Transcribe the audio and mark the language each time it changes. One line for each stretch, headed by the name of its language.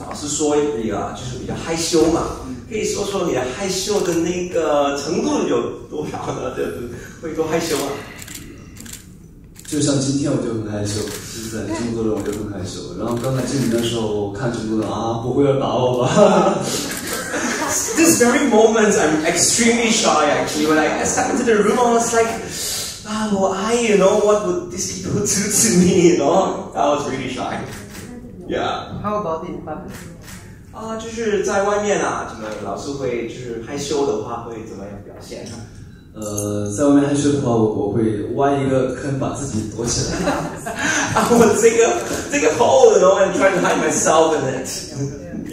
Chinese: 老师说你啊，就是比较害羞嘛，可以说说你的害羞的那个程度有多少呢？就是会多害羞啊？就像今天我就很害羞，是不是？这么多人我就很害羞。然后刚才进门的时候，看直播的啊，不会要打我吧？
English: This very moment, I'm extremely shy. Actually, when I step into the room, I was like. What would these people do to me, I was really shy. Yeah. How about in public?
Chinese: 就是在外面啊，怎么老师会就是害羞的话会怎么样表现呢？在外面害羞的话，我会挖一个坑把自己躲起来。
English: 啊，我这个 hole, you know, I'm trying to hide myself in it.